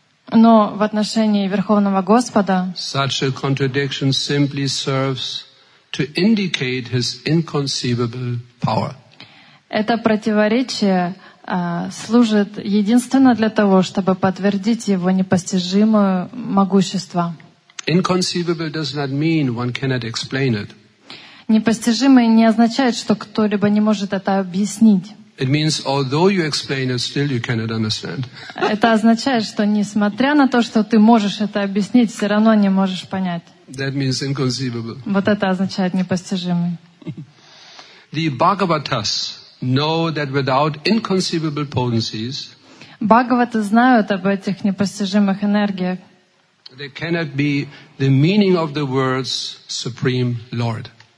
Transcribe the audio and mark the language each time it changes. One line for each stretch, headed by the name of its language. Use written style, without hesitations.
Russian: но в отношении Верховного Господа
English: such a contradiction simply serves to indicate his inconceivable power.
Russian: Это противоречие служит единственно для того, чтобы подтвердить его непостижимое могущество.
English: Inconceivable does not mean one cannot explain it.
Russian: Непостижимое не означает, что кто-либо не может это объяснить.
English: It means although you explain it, still you cannot understand.
Russian: Это означает, что несмотря на то, что ты можешь это объяснить, все равно не можешь понять.
English: That means inconceivable.
Russian: Вот это означает непостижимый.
English: The Bhagavatas know that without inconceivable potencies,
Russian: Бхагаваты знают об этих непостижимых энергиях.
English: There cannot be the meaning of the words Supreme Lord.